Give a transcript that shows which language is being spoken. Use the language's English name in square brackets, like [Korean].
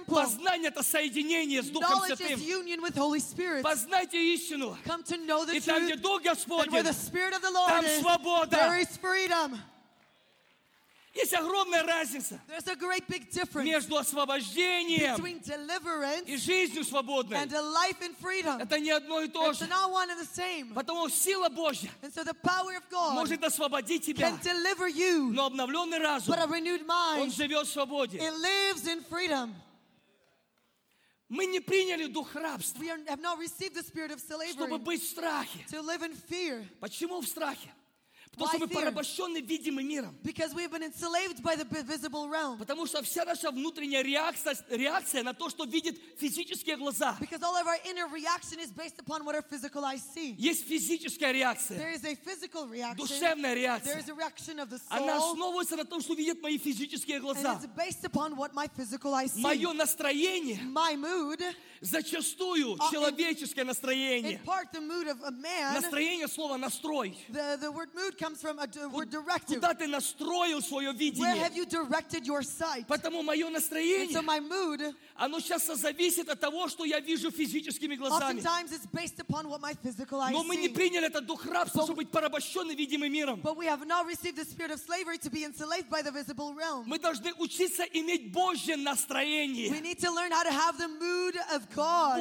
[Russian] Познание — это соединение с Духом [English] Knowledge [Russian] Святым. [English] Is union with Holy Spirit. [Russian] Познайте истину. [English] Come to know the [Russian] И там, где Дух Господень, [English] where the Spirit of the Lord [Russian] там свобода. [English] There is freedom. [Russian] Есть огромная разница между освобождением и жизнью свободной. [English] And a life in freedom. [Russian] Это не одно и то же. [English] It's not one and the same. [Russian] Потому сила Божья [English] and so the power of God [Russian] может освободить тебя, [English] can deliver you. [Russian] Но обновленный разум, [English] but a renewed mind, [Russian] он живет в свободе. [English] It lives in freedom. [Russian] Мы не приняли дух рабства, [English] we have not received the spirit of slavery, [Russian] чтобы быть в страхе. [English] To live in fear. [Russian] Почему в страхе? Потому что мы порабощены видимым миром. [English] Because we have been enslaved by the visible realm. [Russian] Потому что вся наша внутренняя реакция на то, что видит физические глаза. [English] Because all of our inner reaction is based upon what our physical eyes see. [Russian] Есть физическая реакция. [English] There is a physical reaction. [Russian] Душевная реакция. [English] There is a reaction of the soul. [Russian] Она основывается на том, что видят мои физические глаза. [English] And it's based upon what my physical eyes see. [Russian] Мое настроение. [English] My mood. [Russian] Зачастую человеческое настроение. [English] In part the mood of a man. [Russian] Настроение — слово настрой. [English] The word mood comes from a word directive. [Russian] Куда ты настроил свое видение? [English] Where have you directed your sight? [Russian] Потому мое настроение, [English] so my mood, [Russian] оно сейчас зависит от того, что я вижу физическими глазами. [English] Oftentimes it's based upon what my physical eyes [Russian] Но мы [English] see. [Russian] Не приняли этот дух рабства, чтобы быть порабощенным видимым миром. [English] But we have not received the spirit of slavery to be enslaved by the visible realm. [Russian] Мы должны учиться иметь Божье настроение. [English] We need to learn how to have the mood of God.